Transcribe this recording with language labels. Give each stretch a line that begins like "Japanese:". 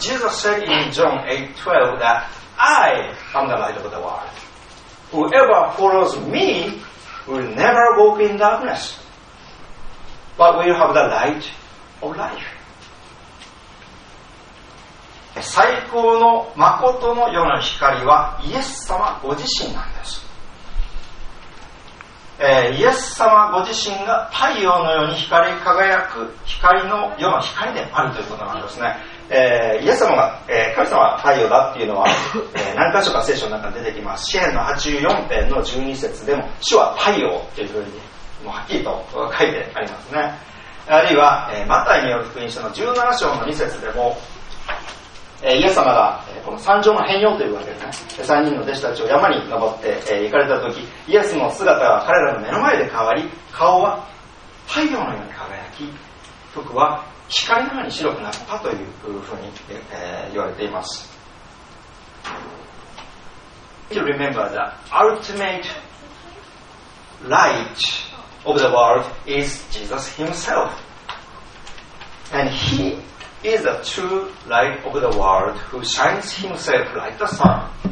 English: Jesus said in John 8:12 that I am the light of the world. Whoever follows me will never walk in darkness, but will have the light of life.
Japanese: 最高の真の世の光はイエス様ご自身なんです。イエス様ご自身が太陽のように光り輝く光の世の光であるということなんですね。イエス様が、神様は太陽だっていうのは、何箇所か聖書の中に出てきます。詩編の84編の12節でも主は太陽というふうにもうはっきりと書いてありますね。あるいは、マタイによる福音書の17章の2節でも、イエス様がこの山上の変容というわけですね、三人の弟子たちを山に登って行かれたとき、イエスの姿は彼らの目の前で変わり、顔は太陽のように輝き、服は光のように白くなったというふうに言われています。
English: To remember the ultimate light of the world is Jesus himself, and heis the true light of the world who shines himself like the sun.